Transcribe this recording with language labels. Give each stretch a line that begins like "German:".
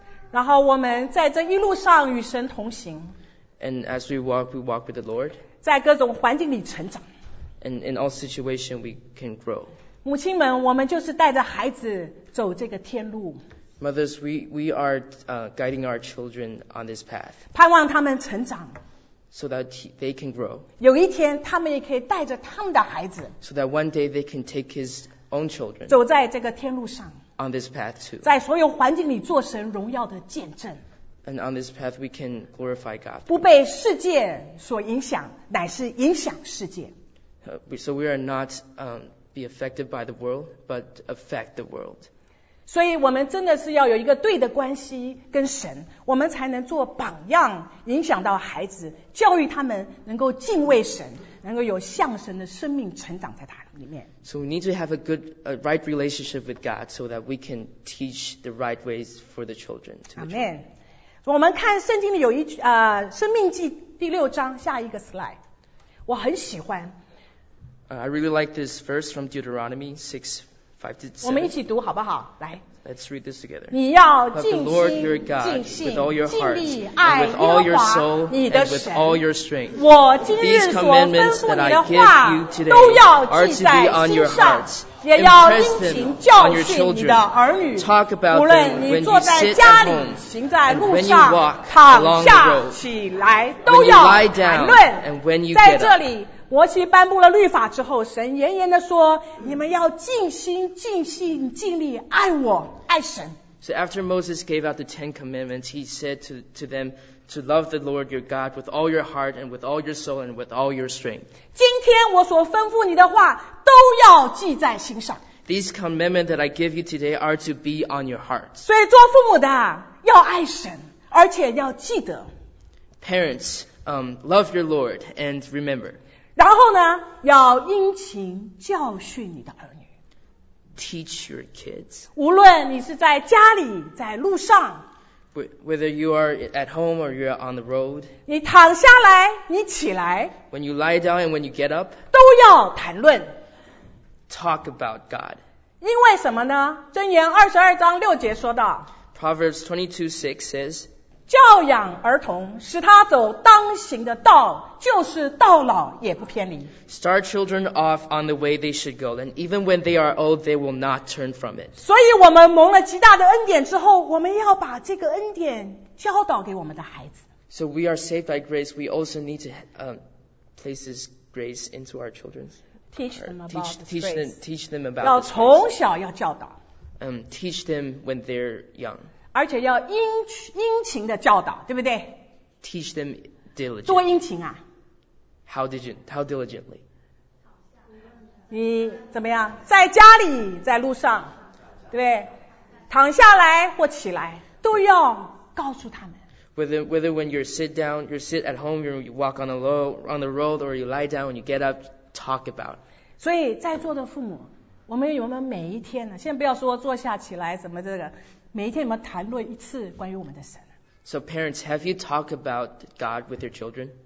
Chinese: 然后我们在这一路上与神同行,
English: and as we walk with the Lord.
Chinese: 在各种环境里成长,
English: and in all situations we can grow.
Chinese: 母亲们, 我们就是带着孩子走这个天路,
English: mothers, we are guiding our children on this path.
Chinese: 盼望他们成长,
English: so that they can grow.
Chinese: 有一天他们也可以带着他们的孩子,
English: so that one day they can take his own children.
Chinese: 走在这个天路上,
English: on this path too.
Chinese: 在所有环境里做神荣耀的见证,
English: and on this path we can glorify God.
Chinese: 不被世界所影响, 乃是影响世界,
English: so we are not be affected by the world, but affect the world.
Chinese: 所以我们真的是要有一个对的关系跟神, 我们才能做榜样, 影响到孩子, 教育他们, 能够敬畏神, 能够有向神的生命成长在他里面。
English: So we need to have a right relationship with God so that we can teach the right ways for the children.
Chinese: Amen. 我们看圣经里有一句, 生命记第六章, 下一个 slide. 我很喜欢,
English: I really like this verse from Deuteronomy 6:5-7.
Chinese: 我们一起读好不好?来,
English: let's read this together.
Chinese: 你要尽心,
English: the Lord your God,
Chinese: 尽心,
English: with all your heart,
Chinese: 尽力爱,
English: and with all your soul,
Chinese: 你的神,
English: and with all your strength.
Chinese: 我今日所吩咐你的话,
English: these commandments that I give you today are to be on your hearts. Impress them on your children. Talk about them when you sit at home, and when you walk along the road,
Chinese: 起来,
English: when you lie down, and when you get up.
Chinese: 摩西颁布了律法之后, 神严严地说, 你们要尽心尽性尽力爱我, 爱神。
English: So after Moses gave out the Ten Commandments, he said to them to love the Lord your God with all your heart and with all your soul and with all your strength.
Chinese: 今天我所吩咐你的话, 都要记在心上。
English: These commandments that I give you today are to be on your heart.
Chinese: 所以做父母的, 要爱神, 而且要记得。
English: Parents, love your Lord and remember.
Chinese: 然后呢, 要殷勤教训你的儿女,
English: teach your kids.
Chinese: 无论你是在家里, 在路上,
English: whether you are at home or you're on the road,
Chinese: 你躺下来, 你起来,
English: when you lie down and when you get up,
Chinese: 都要谈论,
English: talk about God.
Chinese: 因为什么呢? 箴言22章6节说道,
English: Proverbs 22:6 says,
Chinese: 教养儿童，使他走当行的道，就是到老也不偏离。
English: Start children off on the way they should go, and even when they are old, they will not turn from it.
Chinese: 所以我们蒙了极大的恩典之后，我们要把这个恩典教导给我们的孩子。
English: So we are saved by grace, we also need to place this grace into our children. Teach them about this grace.
Chinese: 要从小要教导。
English: Teach them when they're young.
Chinese: 而且要殷勤的教导，对不对
English: ？Teach them diligently.
Chinese: 多殷勤啊
English: ！How diligently?
Chinese: 你怎么样？在家里，在路上，对不对？躺下来或起来，都要告诉他们。
English: Whether when you sit down, you sit at home, you walk on the road, or you lie down, you get up, talk about.
Chinese: 所以在座的父母，我们有没有每一天呢？先不要说坐下起来怎么这个。每一天我们谈论一次关于我们的神。
English: So parents, have you talked about God with your children?